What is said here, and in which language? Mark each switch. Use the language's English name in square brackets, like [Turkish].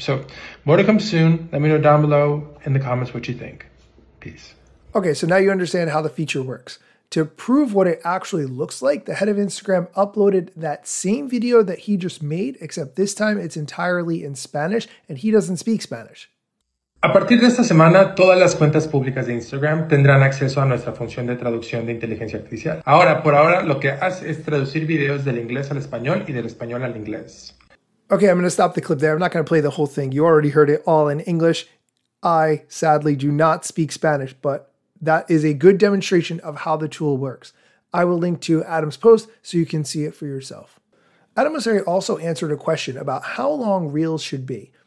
[English] So more to come soon. Let me know down below in the comments what you think. Peace. Okay, so now you understand how the feature works. To prove what it actually looks like, the head of Instagram uploaded that same video that he just made, except this time it's entirely in Spanish and he doesn't speak Spanish. [Spanish] A partir de esta semana, todas las cuentas públicas de Instagram tendrán acceso a nuestra función de traducción de inteligencia artificial. Ahora, por ahora, lo que hace es traducir videos del inglés al español y del español al inglés. [English] Okay, I'm going to stop the clip there. I'm not going to play the whole thing. You already heard it all in English. I, sadly, do not speak Spanish, but that is a good demonstration of how the tool works. I will link to Adam's post so you can see it for yourself. Adam Mosseri also answered a question about how long Reels should be.